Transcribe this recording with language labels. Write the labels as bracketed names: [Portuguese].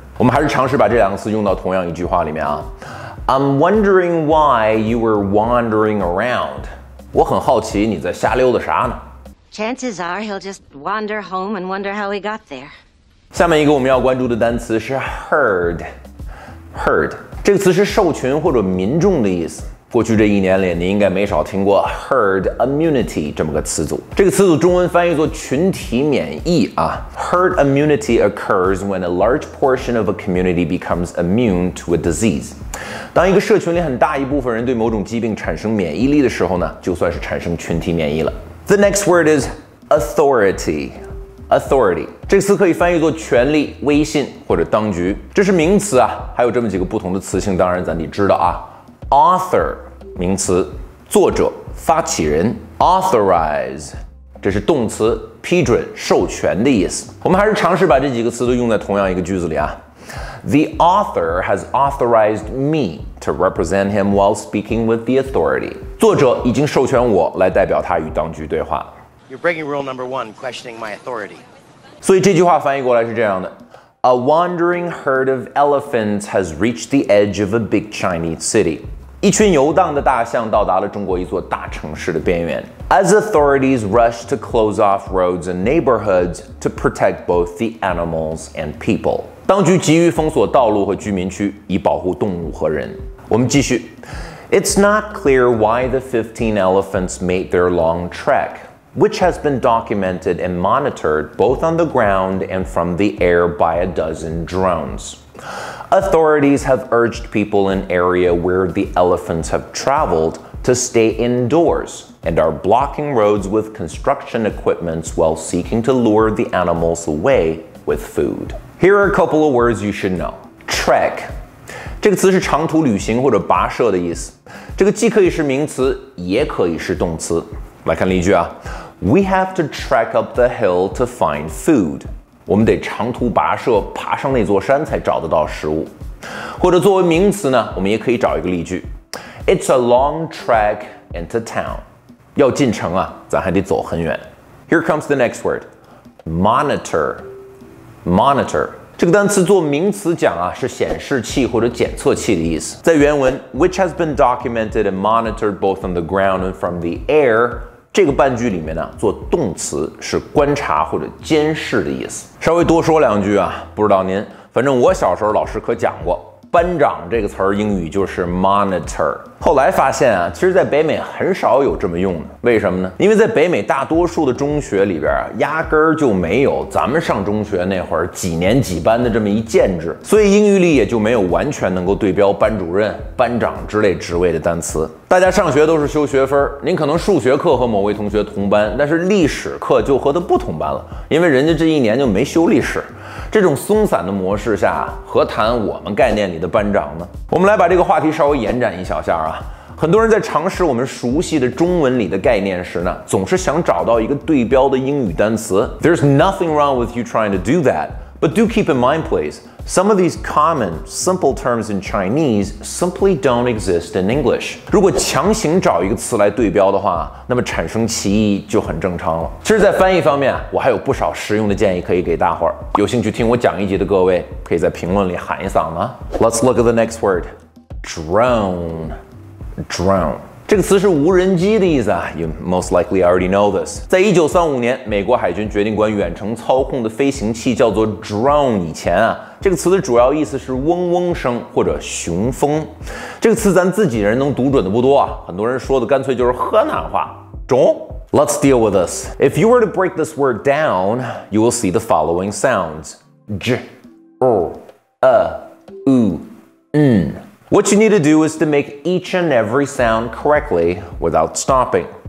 [Chinese] 我们还是尝试把这两个词用到同样一句话里面啊。 [English] I'm wondering why you were wandering around. [Chinese] 我很好奇你在瞎溜达啥呢。 [English] Chances are he'll just wander home and wonder how he got there. [Chinese] 下面一个我们要关注的单词是 herd. Herd 这个词是兽群或者民众的意思。过去这一年里，你应该没少听过 herd immunity 这么个词组。这个词组中文翻译作群体免疫啊。 [English] Herd immunity occurs when a large portion of a community becomes immune to a disease. [Chinese] 当一个社群里很大一部分人对某种疾病产生免疫力的时候呢，就算是产生群体免疫了。 [English] The next word is authority. [Chinese] Authority 这个词可以翻译作权力、威信或者当局。这是名词啊，还有这么几个不同的词性，当然咱得知道啊。 Author 名词，作者、发起人。 Authorize 这是动词，批准、授权的意思。我们还是尝试把这几个词都用在同样一个句子里啊。 [English] The author has authorized me to represent him while speaking with the authority. [Chinese] 作者已经授权我来代表他与当局对话。 [English] You're breaking rule number one, questioning my authority. [Chinese] 所以这句话翻译过来是这样的。 [English] A wandering herd of elephants has reached the edge of a big Chinese city. [Chinese] 一群游荡的大象到达了中国一座大城市的边缘。 [English] As authorities rush to close off roads and neighborhoods to protect both the animals and people. [Chinese] 当局急于封锁道路和居民区，以保护动物和人。我们继续。 [English] It's not clear why the 15 elephants made their long trek, which has been documented and monitored both on the ground and from the air by a dozen drones. Authorities have urged people in area where the elephants have traveled to stay indoors and are blocking roads with construction equipment while seeking to lure the animals away with food. Here are a couple of words you should know. Trek [Chinese] 这个词是长途旅行或者跋涉的意思。这个既可以是名词，也可以是动词。来看例句啊。 [English] We have to trek up the hill to find food. [Chinese] 我们得长途跋涉，爬上那座山才找得到食物。或者作为名词呢，我们也可以找一个例句。 [English] It's a long trek into town. [Chinese] 要进城啊，咱还得走很远。 [English] Here comes the next word. Monitor. [Chinese] Monitor 这个单词做名词讲啊，是显示器或者检测器的意思。在原文 [English] ，which has been documented and monitored both on the ground and from the air， [Chinese] 这个半句里面呢，做动词是观察或者监视的意思。稍微多说两句啊，不知道您，反正我小时候老师可讲过，班长这个词儿英语就是 monitor。后来发现啊，其实在北美很少有这么用的。为什么呢？因为在北美大多数的中学里边啊，压根儿就没有咱们上中学那会儿几年几班的这么一建制，所以英语里也就没有完全能够对标班主任、班长之类职位的单词。大家上学都是修学分，您可能数学课和某位同学同班，但是历史课就和他不同班了，因为人家这一年就没修历史。这种松散的模式下，何谈我们概念里的班长呢？我们来把这个话题稍微延展一小下啊。很多人在尝试我们熟悉的中文里的概念时呢，总是想找到一个对标的英语单词。 [English] There's nothing wrong with you trying to do that, but do keep in mind please, some of these common, simple terms in Chinese simply don't exist in English. [Chinese] 如果强行找一个词来对标的话，那么产生歧义就很正常了。其实在翻译方面，我还有不少实用的建议可以给大伙儿。有兴趣听我讲一集的各位，可以在评论里喊一嗓子。 [English] Let's look at the next word, drone. [Chinese] 这个词是无人机的意思啊， [English] You most likely already know this. [Chinese] 在1935年，美国海军决定管远程操控的飞行器叫做 drone 以前啊，这个词的主要意思是嗡嗡声或者雄风。这个词咱自己人能读准的不多啊，很多人说的干脆就是河南话，中。 [English] Let's deal with this. If you were to break this word down, you will see the following sounds. J, R, U, U, N. What you need to do is to make each and every sound correctly without stopping.